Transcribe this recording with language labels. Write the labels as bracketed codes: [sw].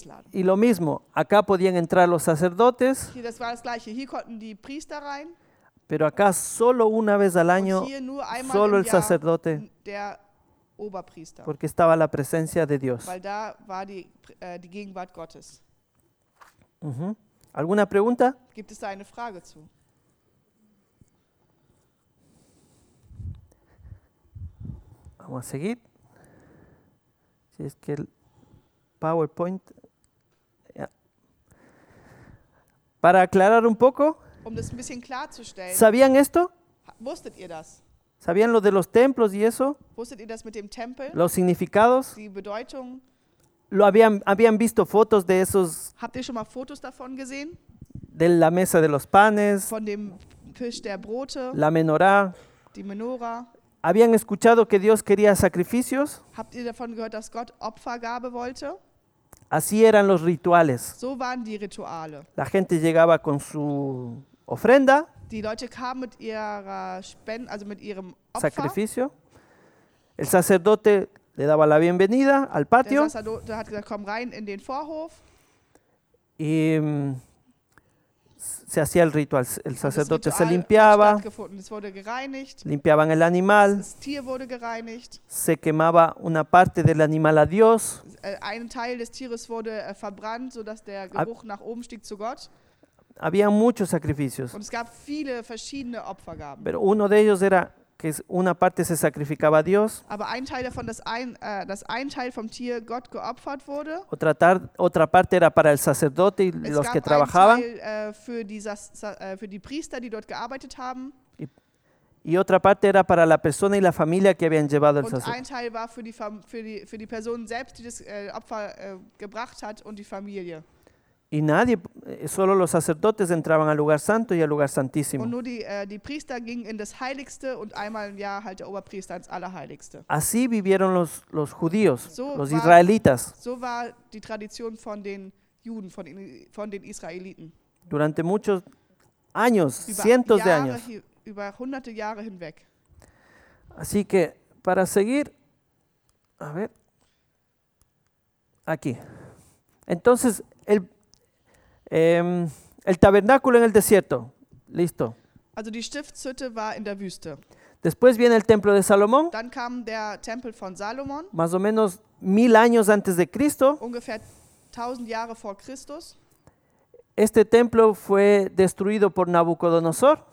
[es] Y lo mismo, acá podían entrar los sacerdotes. [de] Hier, das war das gleiche. Hier konnten die Priester rein. [es] Pero acá solo una vez al año, solo el sacerdote, [de] der Oberpriester, [es] porque estaba la presencia de Dios. [de] Weil da war die Gegenwart Gottes. [es] Uh-huh. ¿Alguna pregunta? [de] Gibt es da eine Frage zu? [es] Vamos a seguir. Si es que el PowerPoint. Para aclarar un poco. [de] Um das ein bisschen klarzustellen. [es] ¿Sabían esto? [de] Wusstet ihr das? [es] ¿Sabían lo de los templos y eso? [de] Wusstet ihr das mit dem Tempel? [es] ¿Los significados? [de] Die Bedeutung? [es] ¿Habían visto fotos de esos? [de] Habt ihr schon mal Fotos davon gesehen? [es] De la mesa de los panes. [de] Von dem Tisch der Brote. [es] La menorá. [de] Die Menorá. [es] ¿Habían escuchado que Dios quería sacrificios? [de] Habt ihr davon gehört, dass Gott Opfergabe wollte? [es] Así eran los rituales. [de] So waren die Rituale. [es] La gente llegaba con su ofrenda. [de] Die Leute kamen mit ihrer Spende, also mit ihrem Opfer. [es] Sacrificio. El sacerdote le daba la bienvenida al patio. [de] Der Sacerdote hat gesagt, komm rein in den Vorhof. [es] Y se hacía el ritual, el sacerdote se limpiaba, limpiaban el animal, se quemaba una parte del animal a Dios, [de] ein Teil des Tieres wurde verbrannt, so dass der Geruch nach oben stieg zu Gott. [es] Había muchos sacrificios. [de] Und es gab viele verschiedene Opfergaben. [es] Pero uno de ellos era que una parte se sacrificaba a Dios. [de] Aber ein Teil davon, dass ein Teil vom Tier Gott geopfert wurde. [es] Otra parte era para el sacerdote y los que trabajaban. [de] Es gab einen Teil für die Priester, die dort gearbeitet haben. [es] Y otra parte era para la persona y la familia que habían llevado el sacerdote. [de] Und ein Teil war für die Person selbst, die das Opfer gebracht hat und die Familie. [es] Y nadie, solo los sacerdotes entraban al lugar santo y al lugar santísimo. [de] Und nur die Priester gingen in das Heiligste und einmal im Jahr halt der Oberpriester ins Allerheiligste. [es] Así vivieron los judíos, los israelitas. [de] So war die Tradition von den Juden, von den Israeliten. [es] Durante muchos años, cientos de años. [de] Über hunderte Jahre hinweg. [es] Así que, para seguir, a ver, aquí. Entonces, el tabernáculo en el desierto. Listo. [de] Also die Stiftshütte war in der Wüste. [es] Después viene el templo de Salomón. [de] Dann kam der Tempel von Salomon. [es] Más o menos 1000 años antes de Cristo. [de] Ungefähr 1000 Jahre vor Christus. [es] Este templo fue destruido por Nabucodonosor.